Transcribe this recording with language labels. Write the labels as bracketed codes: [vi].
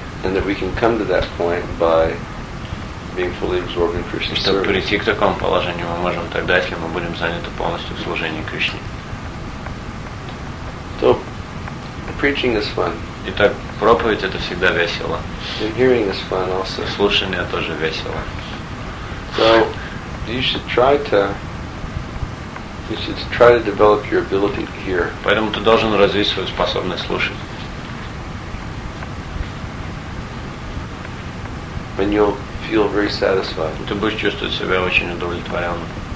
[ru] Чтобы прийти к такому положению, мы можем тогда, если мы будем заняты полностью в служении Кришне. [en] So, preaching is fun. [ru] Итак, проповедь — это всегда весело. [en] And hearing is fun also. [ru] Слушание тоже весело. [en] So you should try to develop your ability to hear. [ru] Поэтому ты должен развить свою способность слушать. [en] And you'll feel very satisfied. [ru] Ты будешь чувствовать себя очень удовлетворенным.